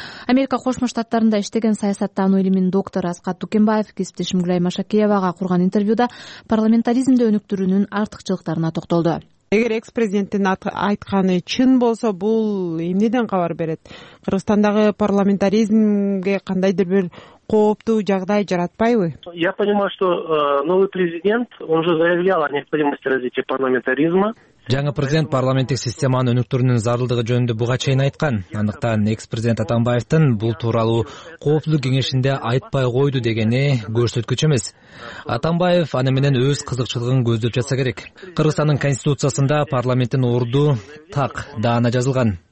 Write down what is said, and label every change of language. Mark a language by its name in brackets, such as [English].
[Kyrgyz] Америка Кошмо Штаттарында иштеген саясаттануу илиминин доктору Аскат Дүкенбаев кесиптешим Гүлай Машакиевага курган интервьюда парламентаризмди өнүктүрүүнүн артыкчылыктарына токтолду. Эгер экс президенттин айтканы чын болсо, бул эмнеден кабар берет? Кыргызстандагы парламентаризмге кандайдыр бир кооптуу жагдай жаратпайбы? [Russian] Я понимаю, что новый президент, он же заявлял о необходимости развития парламентаризма. [Kyrgyz] Жаңы президент парламенттик системанын өнүктүрүүнүн зарылдыгы жөнүндө буга чейин айткан. Андыктан экс президент Атамбаевдин бул тууралуу коопсуздук кеңешинде айтпай койду дегени көрсөткүч эмес. Атамбаев аны менен өз кызыкчылыгын көздөп жатса керек. Кыргызстандын конституциясында парламенттин орду так даана жазылган.